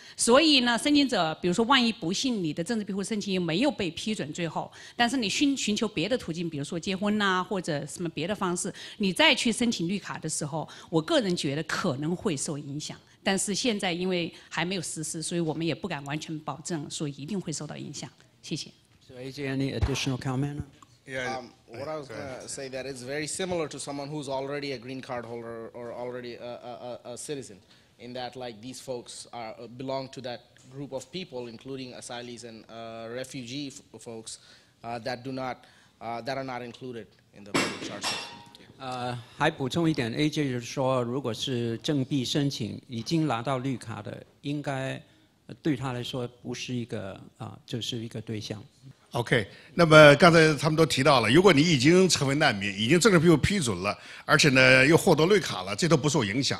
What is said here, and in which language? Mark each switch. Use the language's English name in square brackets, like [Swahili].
[Chinese] 所以呢，申请者比如说万一不幸你的政治庇护申请又没有被批准，最后但是你寻求别的途径，比如说结婚啊或者什么别的方式，你再去申请绿卡的时候，我个人觉得可能会受影响，但是现在因为还没有实施，所以我们也不敢完全保证说一定会受到影响。谢谢。 [English] So, AJ, any additional comment? Yeah, what I was going to say that is very similar to someone who's already a green card holder or already a citizen, in that like these folks are belong to that group of people, including asylees and refugee folks that are not included in the public charge system. [Chinese] 还补充一点 ，AJ 就是说，如果是政币申请已经拿到绿卡的，应该对他来说不是一个就是一个对象。 OK， 那么刚才他们都提到了，如果你已经成为难民，已经政治庇护批准了，而且呢又获得绿卡了，这都不受影响。